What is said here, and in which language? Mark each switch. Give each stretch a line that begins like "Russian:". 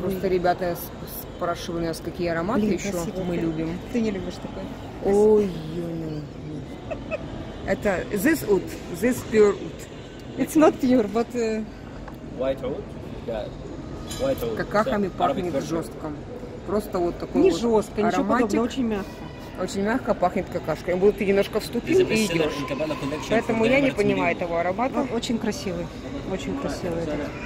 Russian: Просто ребята спрашивали нас, какие ароматы еще мы любим. Ты не любишь такой. Ой-ой-ой.
English: Это this wood, this pure wood. It's not pure, but... White oud? Yeah. White oud.
Russian: Какахами пахнет жестко. Просто вот такой не вот жестко, Не жестко, ничего подобного, очень мягко. Очень мягко пахнет какашкой. Вот ты немножко вступил и идешь. Поэтому я не понимаю этого аромата. Но очень красивый. Очень красивый этот.